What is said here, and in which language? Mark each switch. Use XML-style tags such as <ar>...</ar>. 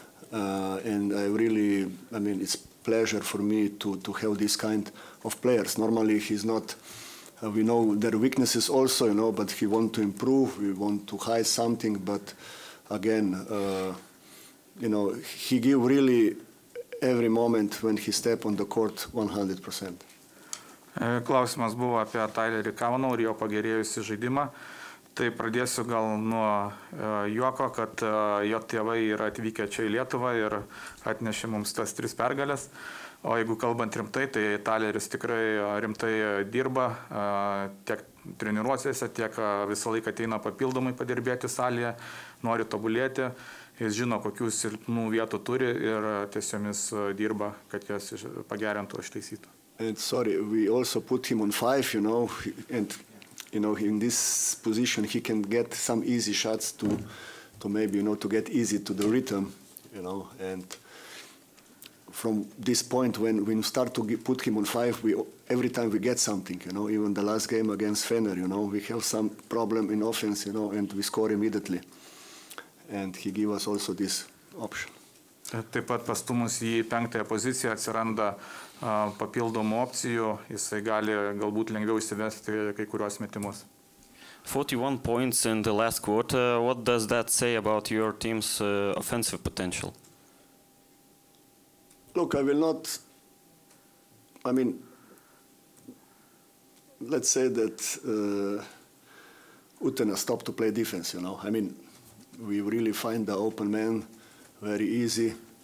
<en>And I mean, it's pleasure for me to have this kind of players. Normally he's not, we know their weaknesses also, you know, but he want to improve, we want to hide something, but again, you know, he give really every moment when he step on the court 100%.</en> <lt>Klausimas buvo apie Tylerį Kavanaugh ir jo pagerėjusį žaidimą. Tai pradėsiu gal nuo juoko, kad jo tėvai yra atvykę čia į Lietuvą ir atnešė mums tas tris pergalės. O jeigu kalbant rimtai, tai Taileris tikrai rimtai dirba tiek treniruosiuose, tiek visą laiką ateina papildomai padirbėti salėje, nori tobulėti. Jis žino, kokių silpnų vietų turi ir tiesiomis dirba, kad jas pagerintų, ištaisytų.</lt> <en>And sorry, we also put him on five, you know, and you know, in this position he can get some easy shots to maybe, you know, to get easy to the rhythm, you know, and from this point when we start to put him on five, we every time we get something, you know, even the last game against Fener, you know, we have some problem in offense, you know, and we score immediately. And he gave us also this option.</en> <lt>Taip pat pastumus į penktąją poziciją atsiranda papildomų opcijų, jisai gali galbūt lengviau įsivesti kai kuriuos metimus.</lt> <en>41 points in the last quarter, what does that say about your team's offensive potential? Look, I will not, I mean, let's say that Utena stopped to play defense, you know, I mean, we really find the open man very easy.</en>